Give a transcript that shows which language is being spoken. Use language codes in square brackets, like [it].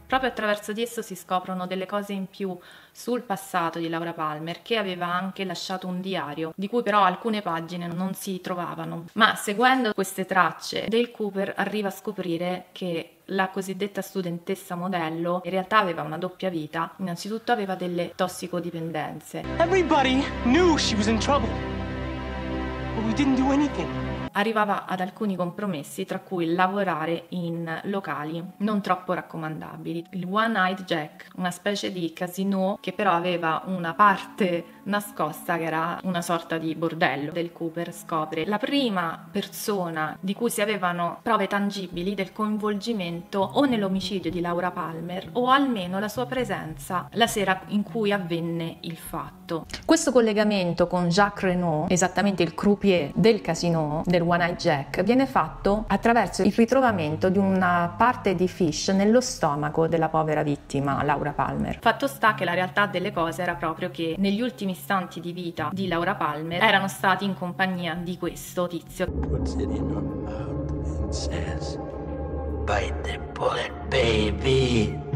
[it] Proprio attraverso di esso si scoprono delle cose in più sul passato di Laura Palmer, che aveva anche lasciato un diario, di cui però alcune pagine non si trovavano. Ma seguendo queste tracce, Dale Cooper arriva a scoprire che la cosiddetta studentessa modello in realtà aveva una doppia vita. Innanzitutto aveva delle tossicodipendenze. [en] Everybody knew she was in trouble, but we didn't do anything. [it] Arrivava ad alcuni compromessi, tra cui lavorare in locali non troppo raccomandabili. Il One Eyed Jack, una specie di casinò che però aveva una parte nascosta che era una sorta di bordello. Del Cooper scopre la prima persona di cui si avevano prove tangibili del coinvolgimento o nell'omicidio di Laura Palmer o almeno la sua presenza la sera in cui avvenne il fatto. Questo collegamento con Jacques Renault, esattamente il croupier del casinò, del One Eye Jack, viene fatto attraverso il ritrovamento di una parte di Fish nello stomaco della povera vittima Laura Palmer. Fatto sta che la realtà delle cose era proprio che negli ultimi istanti di vita di Laura Palmer erano stati in compagnia di questo tizio. [en] Puts it in her mouth and says, bite the bullet, baby.